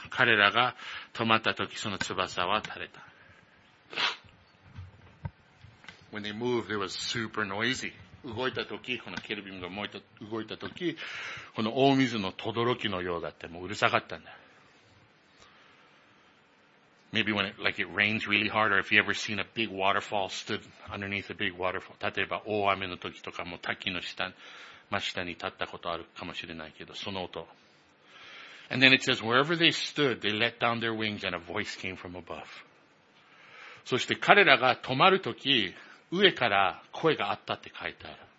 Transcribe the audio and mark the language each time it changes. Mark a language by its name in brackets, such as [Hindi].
[Japanese] 彼らが止まったときその翼は垂れた。 [English] When they moved, it was super noisy. [Japanese] 動いたとき、このケルビムが動いたとき、この大水のとどろきのようだって、もううるさかったんだ。 [English] Maybe when it, like it rains really hard, or if you ever seen a big waterfall stood underneath a big waterfall. [Japanese] 例えば大雨の時とかも滝の下、真下に立ったことあるかもしれないけど、その音。 [English] And then it says, wherever they stood, they let down their wings and a voice came from above. [Japanese] そして彼らが止まる時、上から声があったって書いてある。